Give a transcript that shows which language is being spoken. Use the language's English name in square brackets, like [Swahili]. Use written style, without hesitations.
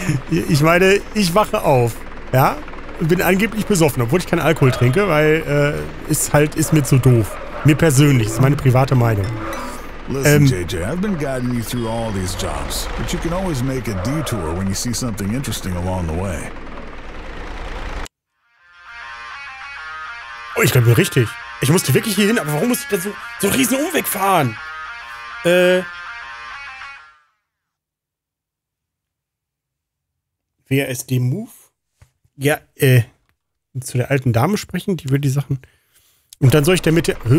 [German] Ich meine, ich wache auf, ja, bin angeblich besoffen, obwohl ich keinen Alkohol trinke, weil ist mir zu doof. Mir persönlich, das ist meine private Meinung. [English] Listen, JJ, I've been guiding you through all these jobs, but you can always make a detour when you see something interesting along the way. [German] Oh, ich glaube richtig. Ich musste wirklich hier hin, aber warum musste ich da so einen riesen Umweg fahren? WASD Move? Ja, zu der alten Dame sprechen, die will die Sachen. Und dann soll ich der Mitte.